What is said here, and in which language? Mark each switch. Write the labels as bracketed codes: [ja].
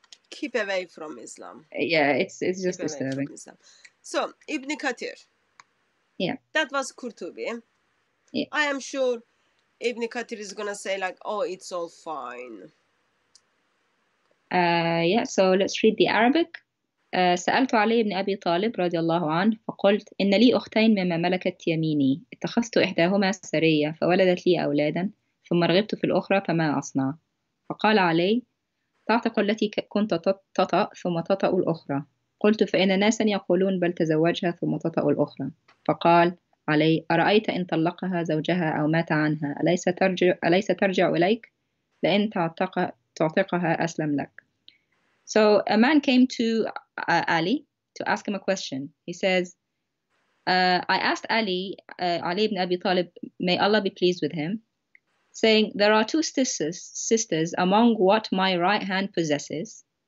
[en] Keep away from Islam. Yeah, it's just keep disturbing. So, Ibn Kathir. Yeah. That was Qurtubi. Yeah. I am sure Ibn Kathir is going to say, like, oh, it's all fine. So let's read the Arabic. [ar] سألت علي بن أبي طالب رضي الله عنه فقلت إن لي أختين مما ملكت يميني اتخذت إحداهما سرية فولدت لي أولادا ثم رغبت في الأخرى فما أصنع فقال علي تعتق التي كنت تطأ ثم تطأ الأخرى قلت فإن ناسا يقولون بل تزوجها ثم تطأ الأخرى فقال علي أرأيت إن طلقها زوجها أو مات عنها أليس ترجع إليك لأن تعتقها أسلم لك. [en] So a man came to Ali to ask him a question. He says, I asked Ali, Ali ibn Abi Talib, may Allah be pleased with him, saying, there are two sisters among what my right hand possesses.